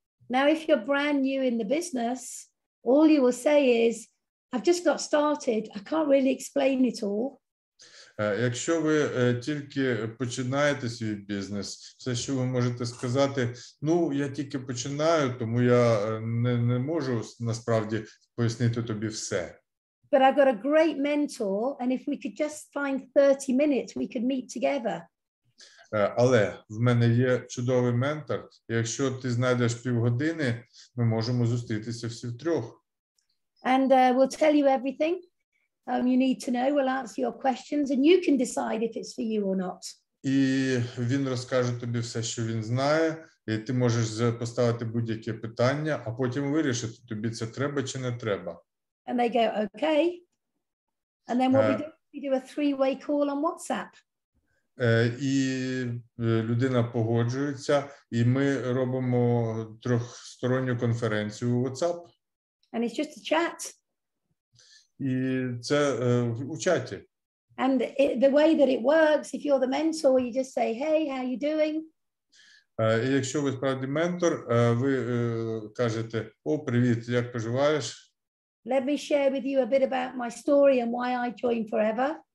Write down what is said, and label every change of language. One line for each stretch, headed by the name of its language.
English: Now, if you're brand new in the business, all you will say is, I've just got started, I can't really explain it all.
Ukrainian: Якщо ви тільки починаєте свій бізнес, все, що ви можете сказати, ну, я тільки починаю, тому я не можу насправді пояснити тобі все.
English: But I've got a great mentor, and if we could just find 30 minutes, we could meet together.
Ukrainian: Але в мене є чудовий ментор. Якщо ти знайдеш півгодини, ми можемо зустрітися всі втрьох.
English: And we'll tell you everything you need to know. We'll answer your questions and you can decide if it's for you or not.
Ukrainian: І він розкаже тобі все, що він знає, і ти можеш поставити будь-яке питання, а потім вирішити, тобі це треба чи не треба.
English: And they go, okay. And then what we do a three-way call on WhatsApp.
Ukrainian: І людина погоджується, і ми робимо трьохсторонню конференцію у WhatsApp.
English: And it's just a chat.
Ukrainian: І це у чаті.
English: And the way that it works, if you're the mentor, you just say, hey, how you doing?
Ukrainian: І якщо ви справді ментор, ви кажете, о, привіт, як поживаєш?
English: Let me share with you a bit about my story and why I joined Forever.